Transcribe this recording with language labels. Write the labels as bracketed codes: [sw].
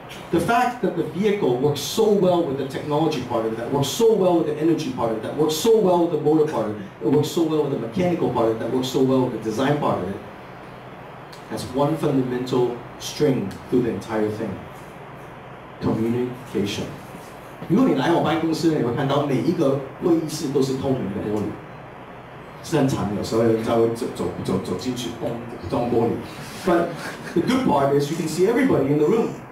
[en] The fact that the vehicle works so well with the technology part of it, that works so well with the energy part of it, that works so well with the motor part of it, it works so well with the mechanical part of it, that works so well with the design part of it, has one fundamental string through the entire thing. Communication. [zh] 如果你来我办公室，你会看到每一个会议室都是透明的玻璃，是很常有时候才会走进去，咚撞玻璃。 [en] But the good part is you can see everybody in the room.